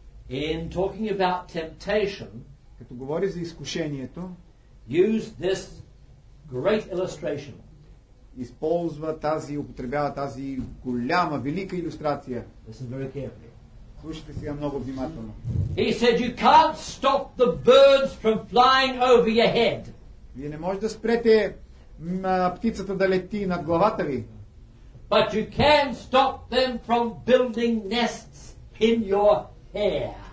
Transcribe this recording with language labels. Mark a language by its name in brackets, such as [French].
[English] in talking about temptation, [Bulgarian] като говори за изкушението, [English] use this great illustration. [Bulgarian] Използва тази, употребява тази голяма, велика илюстрация. [English] Listen very carefully. [Bulgarian] Слушайте сега много внимателно. [English] He said, you can't stop the birds from flying over your head. [Bulgarian] Вие не можете да спрете птицата да лети над главата ви. [English] But you can stop them from building nests in your hair.